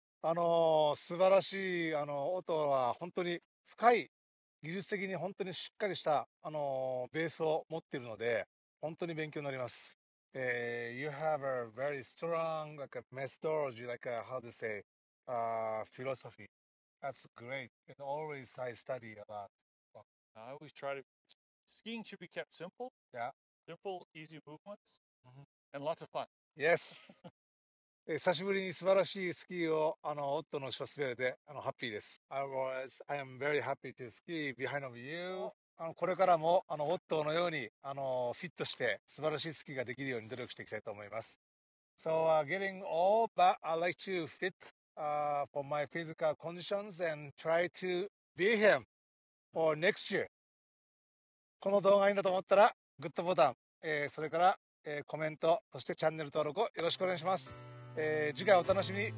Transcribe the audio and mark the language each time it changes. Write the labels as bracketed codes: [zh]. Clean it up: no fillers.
[ja] 素晴らしい、Otto は本当に深い、技術的に本当にしっかりした、ベースを持っているので、本当に勉強になります。 [en] You have a very strong, like a methodology, like a, how to say, philosophy. That's great. And always I study a lot. I always try to... Skiing should be kept simple. Yeah. Simple, easy movements, mm-hmm. and lots of fun. Yes. [ja] 久しぶりに素晴らしいスキーを、オットの後ろ滑れて、ハッピーです。 [en] I am very happy to ski behind of you. [ja] これからも、オットのように、フィットして、素晴らしいスキーができるように努力していきたいと思います。 [en] So, getting old, but I like to fit, for my physical conditions and try to be him for next year. [ja] この動画がいいなと思ったらグッドボタン、それから、コメント、そしてチャンネル登録をよろしくお願いします、次回お楽しみに。